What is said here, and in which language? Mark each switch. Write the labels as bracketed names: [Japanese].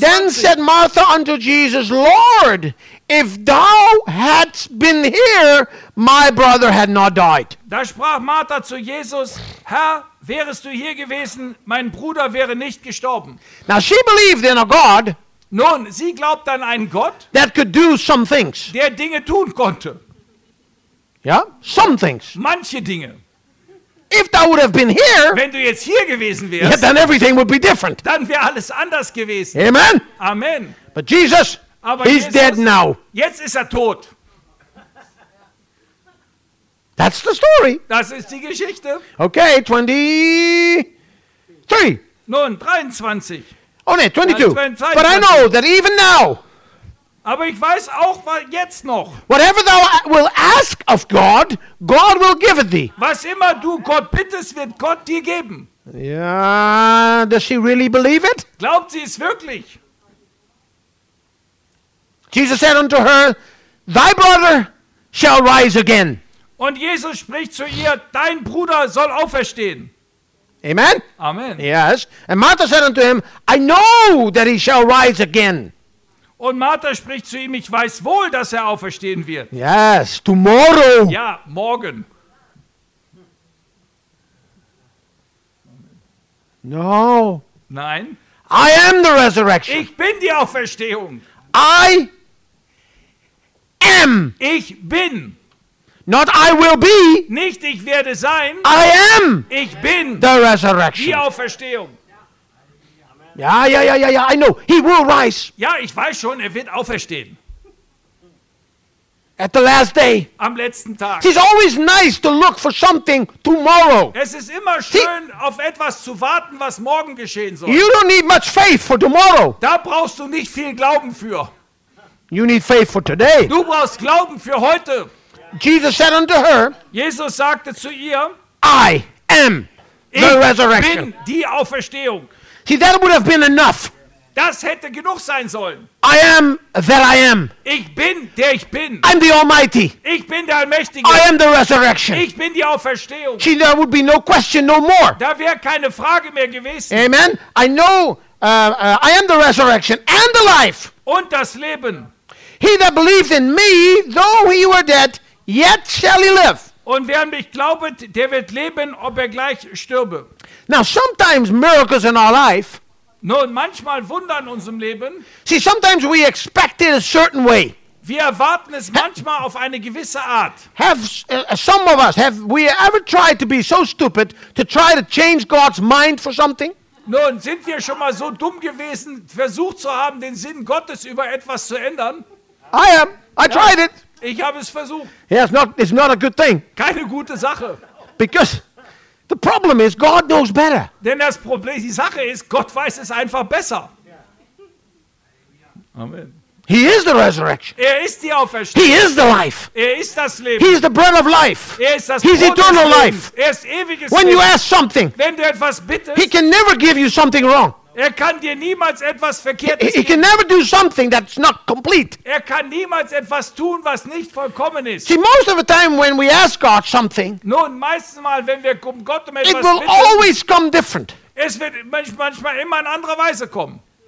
[English] Then said Martha unto Jesus, Lord, if thou hadst been here, my brother had not died. [German] Da sprach Martha zu Jesus, Herr, wärest du hier gewesen, mein Bruder wäre nicht gestorben. [English] Now she believed in a God. [German] Nun, sie glaubt an einen Gott. [English] That could do some things. [German] Der Dinge tun konnte. [English] Yeah, some things. [German] Manche Dinge. [English] If thou would have been here, [German] wenn du jetzt hier gewesen wärst, [English] yeah, then everything would be different. [German] Dann wäre alles anders gewesen. [English] Amen. [German] Amen. [English] But Jesus, [German] aber [English] he's Jesus, dead now. [German] Jetzt ist tot. [English] That's the story. [German] Das ist die Geschichte. [English] Okay, 23. [German] Nun, 23. [English] Oh, nee, 22. [German] Ja, 22. [English] But I know that even now, [German] aber ich weiß auch jetzt noch. [English] Whatever thou wilt ask of God, God will give it thee. [German] Was immer du Gott bittest, wird Gott dir geben. [English] Yeah, does she really believe it? [German] Glaubt sie es wirklich? [English] Jesus said unto her, thy brother shall rise again. [German] Und Jesus spricht zu ihr, dein Bruder soll auferstehen. [English] Amen? [German] Amen. [English] Yes. And Martha said unto him, I know that he shall rise again. [German] Und Martha spricht zu ihm, ich weiß wohl, dass auferstehen wird. [English] Yes, tomorrow. [German] Ja, morgen. [English] No. [German] Nein. [English] I am the resurrection. [German] Ich bin die Auferstehung. [English] I am. [German] Ich bin. [English] Not I will be. [German] Nicht ich werde sein. [English] I am. [German] Ich bin. [English] The resurrection. [German] Die Auferstehung. [English] Ja, I know. He will rise. [German] Ja, ich weiß schon, wird auferstehen. [English] At the last day. [German] Am letzten Tag. [English] It's always nice to look for something tomorrow. [German] Es ist immer schön, auf etwas zu warten, was morgen geschehen soll. [English] You don't need much faith for tomorrow. [German] Da brauchst du nicht viel Glauben für. [English] You need faith for today. [German] Du brauchst Glauben für heute. [English] Jesus said unto her. [German] Jesus sagte zu ihr. [English] I am the resurrection. [German] Ich bin die Auferstehung. [English] See, that would have been enough. [German] Das hätte genug sein sollen. [English] I am that I am. [German] Ich bin, der ich bin. [English] I'm the Almighty. [German] Ich bin der Allmächtige. [English] I am the resurrection. [German] Ich bin die Auferstehung. [English] See, there would be no question no more. [German] Da wäre keine Frage mehr gewesen. [English] Amen. I know I am the resurrection and the life. [German] Und das Leben. [English] He that believes in me, though he were dead, yet shall he live. [German] Und wer an mich glaubet, der wird leben, ob gleich stirbe. [English] Now sometimes miracles in our life. [German] Nun, manchmal Wunder in unserem Leben. [English] See, sometimes we expect it a certain way. [German] Wir erwarten es manchmal auf eine gewisse Art. [English] Have some of us have we ever tried to be so stupid to try to change God's mind for something? [German] Nun, sind wir schon mal so dumm gewesen, versucht zu haben, den Sinn Gottes über etwas zu ändern? [English] I am. I tried it. [German] Ich habe es versucht. [English] Yeah, it's not a good thing. [German] Keine gute Sache. [English] Because the problem is God knows better. [German] Denn das Problem, die Sache ist, Gott weiß es einfach besser. [English] Amen. He is the resurrection. [German] Er ist die Auferstehung. [English] He is the life. [German] Er ist das Leben. [English] He is the bread of life. [German] Er ist das [English] He is eternal [German] Leben. [English] Life. [German] Er ist ewiges [English] When [German] Leben. [English] You ask something, [German] Wenn du etwas bittest, [English] He can never give you something wrong. [German] Er kann dir niemals etwas Verkehrtes [English] he can never do something that's not complete. [German] Er kann niemals etwas tun, was nicht vollkommen ist. [English] See, most of the time when we ask God something, [German] Nun, meistens mal, wenn wir Gott um etwas [English] it will [German] bitten, [English] always come different. [German] Es wird manchmal immer in anderer Weise kommen.